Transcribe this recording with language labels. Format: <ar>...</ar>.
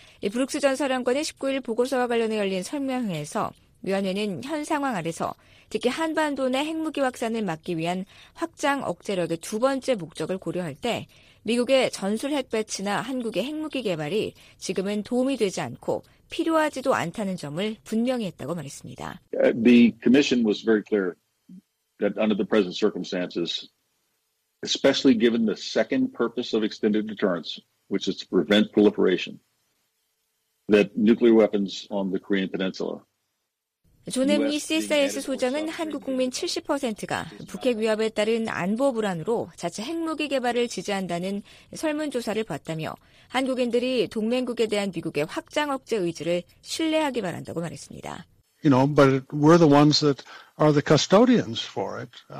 <ko>브룩스 전 사령관의 19일 보고서와 관련해 열린 설명회에서 위원회는 현 상황 아래서 특히 한반도 내 핵무기 확산을 막기 위한 확장 억제력의 두 번째 목적을 고려할 때 미국의 전술 핵 배치나 한국의 핵무기 개발이 지금은 도움이 되지 않고 필요하지도 않다는 점을 분명히 했다고 말했습니다.</ko> <en>The commission was very clear that under the present circumstances, especially given the second purpose of extended deterrence, which is to prevent proliferation, that nuclear weapons on the Korean Peninsula</en> <ko>존 앰리 CSIS 소장은 한국 국민 70%가 북핵 위협에 따른 안보 불안으로 자체 핵무기 개발을 지지한다는 설문조사를 봤다며 한국인들이 동맹국에 대한 미국의 확장 억제 의지를 신뢰하기 바란다고 말했습니다.</ko> <en>You know, but we're the ones that are the custodians for it.</en>